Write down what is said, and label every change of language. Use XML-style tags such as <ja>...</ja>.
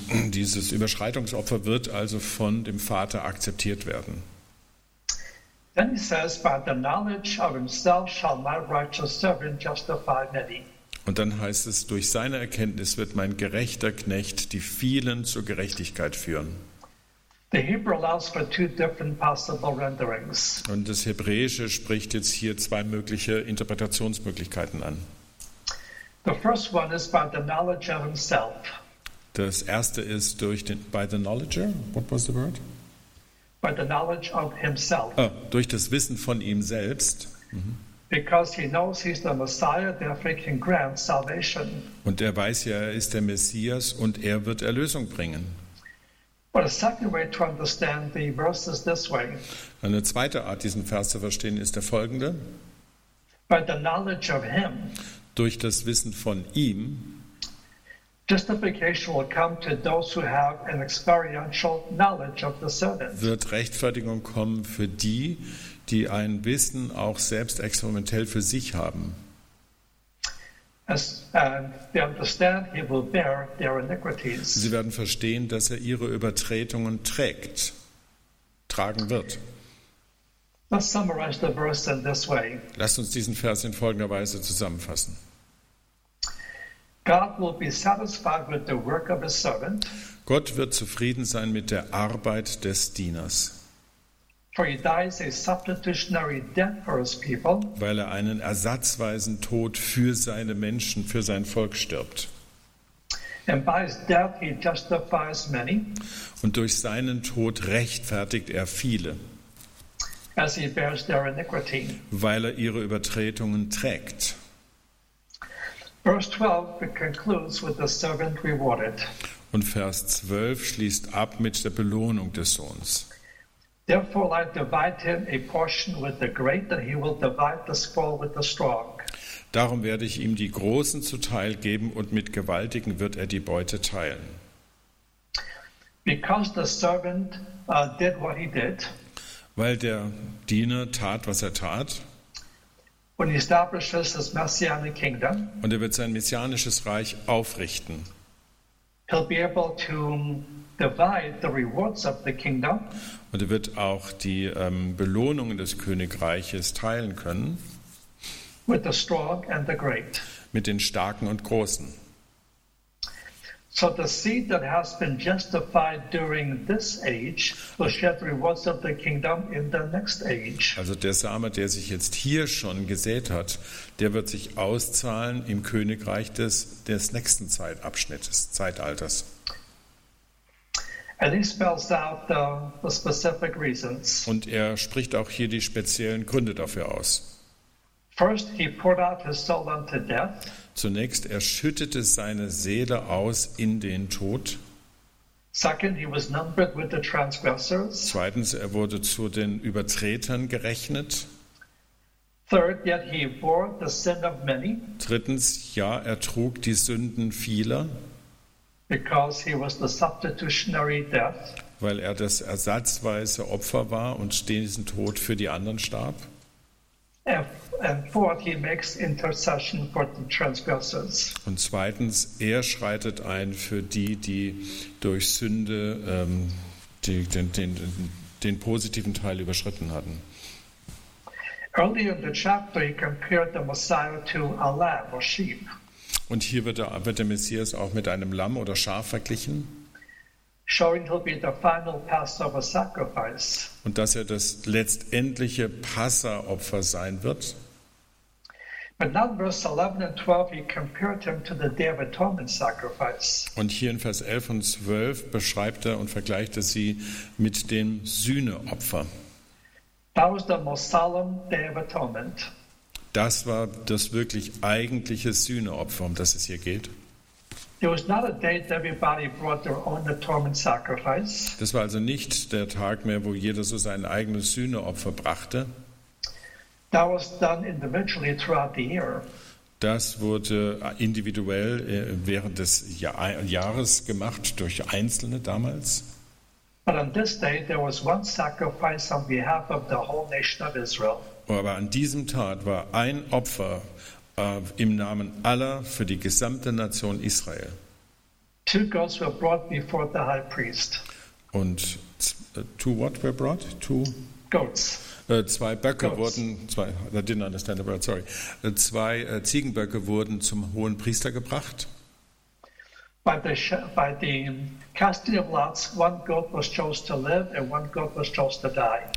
<de>Dieses Überschreitungsopfer wird also von dem Vater akzeptiert werden.</de> <en>Then he says, by the knowledge of himself shall my righteous servant justify many.</en> <de>Und dann heißt es, durch seine Erkenntnis wird mein gerechter Knecht die vielen zur Gerechtigkeit führen.</de> <en>The Hebrew allows for two different possible renderings.</en> <de>Und das Hebräische spricht jetzt hier zwei mögliche Interpretationsmöglichkeiten an.</de> <en>The first one is by the knowledge of himself.</en> <de>Das erste ist durch den</de> <en>by the knowledge. What was the word? By the knowledge of himself.</en> <de>Ah, durch das Wissen von ihm selbst. Mm-hmm.</de> <en>Because he knows he's the Messiah, therefore he can grant salvation.</en> <de>Und er weiß ja, er ist der Messias und er wird Erlösung bringen.</de> <en>But a second way to understand the verse is this way.</en> <de>Eine zweite Art, diesen Vers zu verstehen, ist der folgende.</de> <en>By the knowledge of him.</en> <de>Durch das Wissen von ihm</de> <en>Justification will come to those who have an experiential knowledge of the servant.</en> <de>Wird Rechtfertigung kommen für die, die ein Wissen auch selbst experimentell für sich haben?</de> <en>As they understand, he will bear their iniquities.</en> <de>Sie werden verstehen, dass er ihre Übertretungen tragen wird.</de> <en>Let's summarize the verse in this way.</en> <de>Lasst uns diesen Vers in folgender Weise zusammenfassen.</de> <en>God will be satisfied with the work of his servant.</en> <de>Gott wird zufrieden sein mit der Arbeit des Dieners.</de> <en>For he dies a substitutionary death for his people.</en> <de>Weil er einen ersatzweisen Tod für seine Menschen, für sein Volk stirbt.</de> <en>And by his death he justifies many.</en> <de>Und durch seinen Tod rechtfertigt er viele.</de> <en>As he bears their iniquity.</en> <de>Weil er ihre Übertretungen trägt.</de> <en>Verse 12 concludes with the servant rewarded.</en> <de>Und Vers 12 schließt ab mit der Belohnung des Sohns.</de> <en>Therefore I divide him a portion with the great, and he will divide the spoil with the strong.</en> <de>Darum werde ich ihm die Großen zuteil geben, und mit Gewaltigen wird er die Beute teilen.</de> <en>Because the servant did what he did.</en> <de>Weil der Diener tat, was er tat.</de> <en>And he establishes his messianic kingdom.</en> <de>Und er wird sein messianisches Reich aufrichten.</de> <en>He'll be able to divide the rewards of the kingdom.</en> <de>Und er wird auch die Belohnungen des Königreiches teilen können.</de> <en>With the strong and the great.</en> <de>Mit den Starken und Großen.</de> <en>So the seed that has been justified during this age will share the rewards of the kingdom in the next age.</en> <de>Also der Same, der sich jetzt hier schon gesät hat, der wird sich auszahlen im Königreich des nächsten Zeitalters.</de> <en>And he spells out the specific reasons.</en> <de>Und er spricht auch hier die speziellen Gründe dafür aus.</de> <en>First, he poured out his soul unto death.</en> <de>Zunächst, er schüttete seine Seele aus in den Tod.</de> <en>Second, he was numbered with the transgressors.</en> <de>Zweitens, er wurde zu den Übertretern gerechnet.</de> <en>Third, yet he bore the sin of many.</en> <de>Drittens, ja, er trug die Sünden vieler.</de> <en>Because he was the substitutionary death.</en> <de>Weil er das ersatzweise Opfer war und diesen Tod für die anderen starb.</de> <en>And fourth, he makes intercession for the transgressors.</en> <de>Und zweitens, er schreitet ein für die, die durch Sünde den positiven Teil überschritten hatten.</de> <en>Earlier in the chapter, he compared the Messiah to a lamb or sheep.</en> <de>Und hier wird der Messias auch mit einem Lamm oder Schaf verglichen.</de> <en>Showing he'll be the final Passover sacrifice.</en> <de>Und dass er das letztendliche Passa-Opfer sein wird.</de> <en>But now in verse 11 and 12 he compared him to the Day of Atonement sacrifice.</en> <de>Und hier in Vers 11 und 12 beschreibt er und vergleicht er sie mit dem Sühneopfer.</de> <en>That was the most solemn Day of Atonement.</en> <de>Das war das wirklich eigentliche Sühneopfer, um das es hier geht.</de> <en>It was not a day that everybody brought their own atonement sacrifice.</en> <de>Das war also nicht der Tag mehr, wo jeder so sein eigenes Sühneopfer brachte.</de> <en>That was done individually throughout the year.</en> <de>Das wurde individuell während des Jahres gemacht durch Einzelne damals.</de> <en>But on this day there was one sacrifice on behalf of the whole nation of Israel.</en> <de>Aber an diesem Tag war ein Opfer im Namen aller für die gesamte Nation Israel.</de> <en>Two goats were brought before the high priest. Und two what were brought? Two goats.</en> <de>Zwei Böcke goats. Wurden. Zwei.</de> <en>I didn't understand the word. Sorry.</en> <de>Zwei Ziegenböcke wurden zum hohen Priester gebracht.</de> <en>By the casting of lots, one goat was chosen to live and one goat was chosen to die.</en>